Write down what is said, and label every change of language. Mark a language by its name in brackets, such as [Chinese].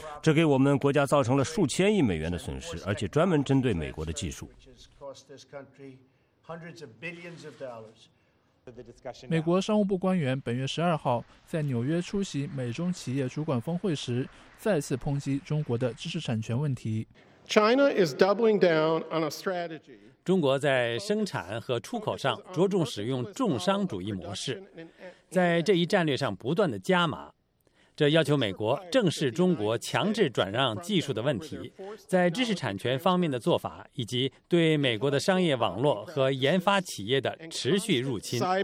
[Chinese] 这给我们国家造成了数千亿美元的损失，而且专门针对美国的技术。美国商务部官员本月12号在纽约出席美中企业主管峰会时，再次抨击中国的知识产权问题。 [English] China is doubling down on a strategy. [Chinese] 中国在生产和出口上着重使用重商主义模式，在这一战略上不断的加码。这要求美国正视中国强制转让技术的问题，在知识产权方面的做法，以及对美国的商业网络和研发企业的持续入侵。